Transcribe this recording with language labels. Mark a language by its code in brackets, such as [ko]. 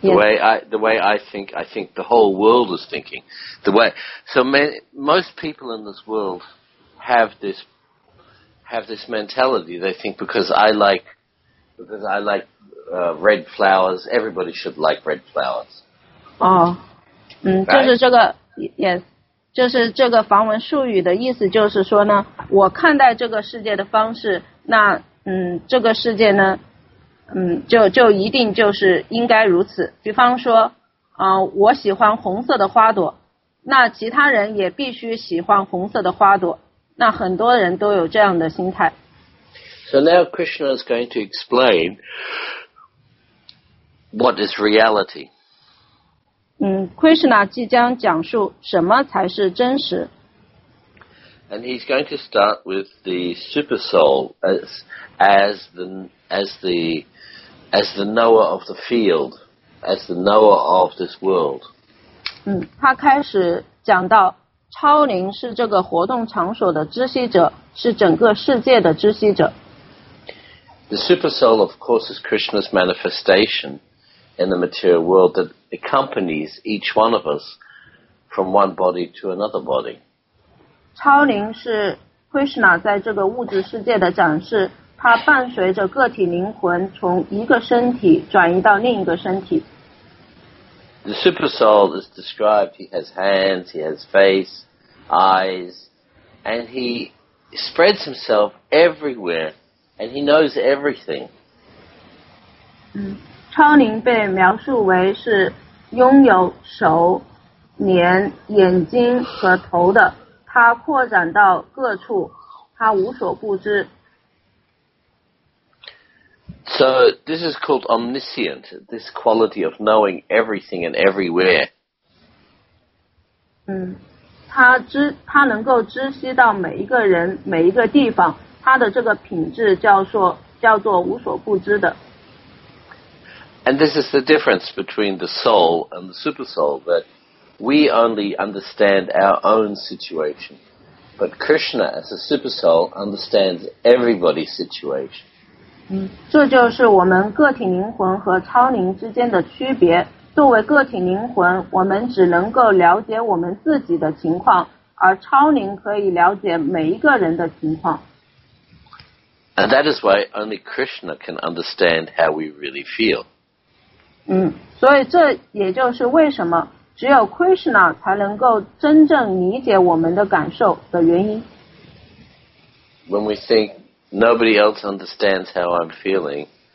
[en] The way I think the whole world is thinking. The way, so many, most people in this world have this have this mentality. They think because I like red flowers, everybody should like red flowers. Oh, [zh] 就是这个 [en] yes, [zh] 就是这个梵文术语的意思，就是说呢，我看待这个世界的方式，那这个世界呢，就一定就是应该如此。比方说，我喜欢红色的花朵，那其他人也必须喜欢红色的花朵。那很多人都有这样的心态。 [en] So now Krishna is going to explain what is reality. [zh] Krishna 即将讲述什么才是真实。 [en] And he's going to start with the super soul as the knower of the field, as the knower of this world. [zh] 他开始讲到超灵是这个活动场所的知悉者，是整个世界的知悉者。 [en] The super soul, of course, is Krishna's manifestation in the material world that accompanies each one of us from one body to another body. [zh] 超灵是 Krishna 在这个物质世界的展示，它伴随着个体灵魂从一个身体转移到另一个身体。 [en] The super soul is described, he has hands, he has face, eyes, and he spreads himself everywhere, and he knows everything. [zh] 超灵被描述为是拥有手、脸、眼睛和头的，他扩展到各处，他无所不知。 [en] So this is called omniscient, this quality of knowing everything and everywhere. [zh] 他能够知悉到每一个人、每一个地方，他的这个品质叫做无所不知的。 [en] And this is the difference between the soul and the super soul, that we only understand our own situation, but Krishna as a super soul understands everybody's situation. [zh] 这就是我们个体灵魂和超灵之间的区别。作为个体灵魂，我们只能够了解我们自己的情况，而超灵可以了解每一个人的情况。 [en] And that is why only Krishna can understand how we really feel. [zh] 所以这也就是为什么只有 Krishna 才能够真正理解我们的感受的原因。 [en] When we think,Nobody else understands how I'm feeling.